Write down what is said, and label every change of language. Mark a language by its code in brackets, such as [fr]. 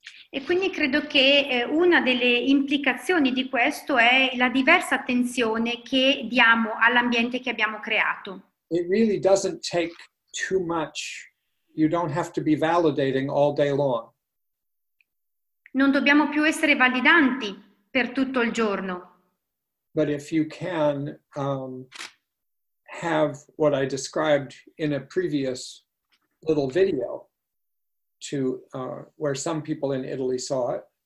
[it] E quindi credo che una delle implicazioni di questo è la diversa attenzione che diamo all'ambiente che abbiamo creato. [en] It really doesn't take too much. You don't have to be validating all day long. [it] Non dobbiamo più essere validanti per tutto il giorno. [en] But if you can have what I described in a previous little video to where some people in Italy saw it.